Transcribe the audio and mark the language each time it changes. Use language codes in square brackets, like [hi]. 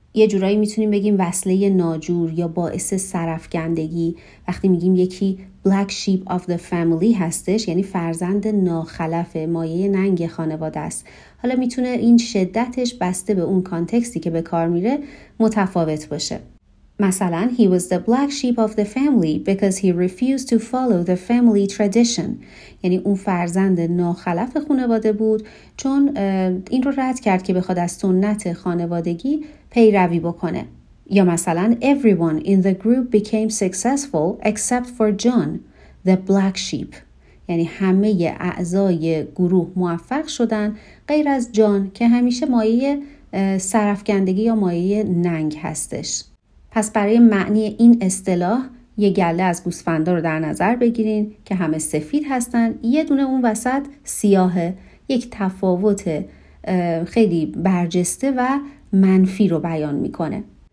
[fa] یه جورایی میتونیم بگیم وصله ناجور یا باعث سرفگندگی. وقتی میگیم یکی [en] black sheep of the family [fa] هستش یعنی فرزند ناخلف مایه ننگ خانواده است. حالا میتونه این شدتش بسته به اون کانتکستی که به کار میره متفاوت باشه. [en] مثلا he was the black sheep of the family because he refused to follow the family tradition. [fa] یعنی اون فرزند ناخلف خانواده بود چون این رو رد کرد که بخواد از سنت خانوادگی پیروی بکنه. یا مثلا [en] everyone in the group became successful except for John, the black sheep. [fa] یعنی همه اعضای گروه موفق شدن غیر از جان که همیشه مایه سرفگندگی یا مایه ننگ هستش. پس برای معنی این اصطلاح یه گله از گوسفندا رو در نظر بگیرین که همه سفید هستن، یه دونه اون وسط سیاهه، یک تفاوت خیلی برجسته و منفی رو بیان میکنه.